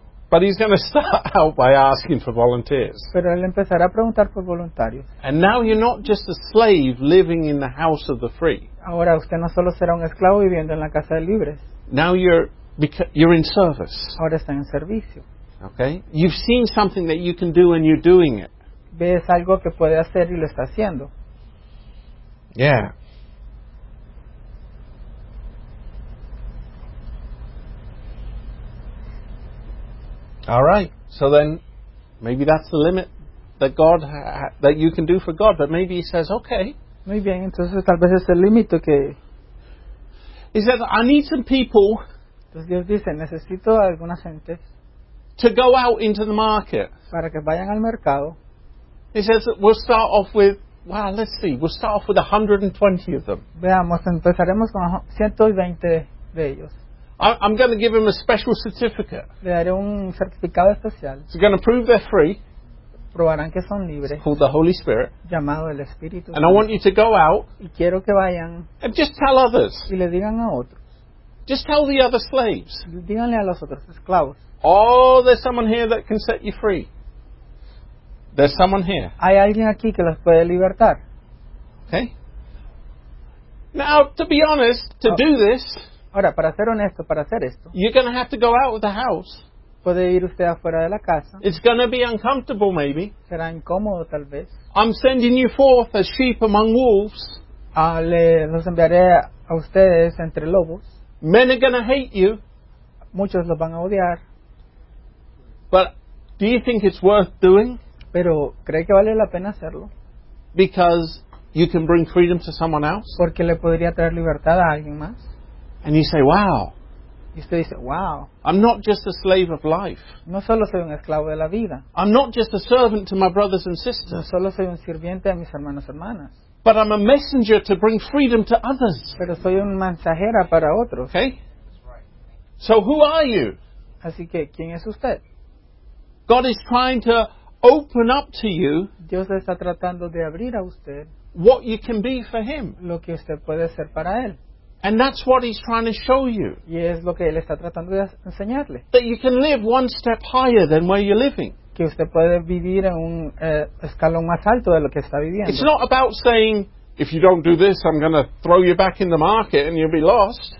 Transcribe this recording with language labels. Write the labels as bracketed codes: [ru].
[en] But he's going to start out by asking for volunteers. [es] Pero él empezará a preguntar por voluntarios. [en] And now you're not just a slave living in the house of the free. [es] Ahora usted no solo será un esclavo viviendo en la casa de libres. [en] Now you're in service. [es] Ahora está en servicio. [en] Okay? You've seen something that you can do and you're doing it. [es] Ves algo que puede hacer y lo está haciendo. [en] Yeah. All right. So then, maybe that's the limit that God that you can do for God. But maybe He says, "Okay." [es] Muy bien. Entonces, tal vez es el límite que. [en] He says, "I need some people." [es] Entonces Dios dice, necesito alguna gente. [en] To go out into the market. [es] Para que vayan al mercado. [en] He says, "We'll start off with." Wow. Well, let's see. We'll start off with 120 of them. [es] Veamos. Empezaremos con 120 de ellos. [en] I'm going to give him a special certificate. [es] Le daré un certificado especial. [en] It's going to prove they're free. [es] Probarán que son libres. [en] It's called the Holy Spirit. [es] Llamado el Espíritu. [en] And I want you to go out. [es] Y quiero que vayan. [en] And just tell others. [es] Y le digan a otros. [en] Just tell the other slaves. [es] Díganle a los otros esclavos. [en] Oh, there's someone here that can set you free. There's someone here. [es] Hay alguien aquí que los puede libertar. [en] Okay. Now, to be honest, to do this. [es] Ahora, para ser honesto, para hacer esto. [en] You're going to have to go out of the house. [es] Puede ir usted afuera de la casa. [en] It's going to be uncomfortable, maybe. [es] Será incómodo, tal vez. [en] I'm sending you forth as sheep among wolves. [es] Los enviaré a ustedes entre lobos. [en] Men are going to hate you. [es] Muchos los van a odiar. [en] But do you think it's worth doing? [es] Pero, ¿cree que vale la pena hacerlo? [en] Because you can bring freedom to someone else. [es] Porque le podría traer libertad a alguien más. [en] And you say, wow. [es] Y usted dice, wow. [en] I'm not just a slave of life. [es] No solo soy un esclavo de la vida. [en] I'm not just a servant to my brothers and sisters. [es] No solo soy un sirviente a mis hermanos y hermanas. [en] But I'm a messenger to bring freedom to others. [es] Pero soy un mensajera para otros. [en] Okay? So who are you? [es] Así que, ¿quién es usted? [en] God is trying to open up to you. [es] Dios está tratando de abrir a usted. [en] What you can be for Him. [es] Lo que usted puede ser para Él. [en] And that's what he's trying to show you. [es] Y es lo que él está tratando de enseñarle. [en] That you can live one step higher than where you're living. [es] Que usted puede vivir en un escalón más alto de lo que está viviendo. [en] It's not about saying, if you don't do this, I'm going to throw you back in the market and you'll be lost.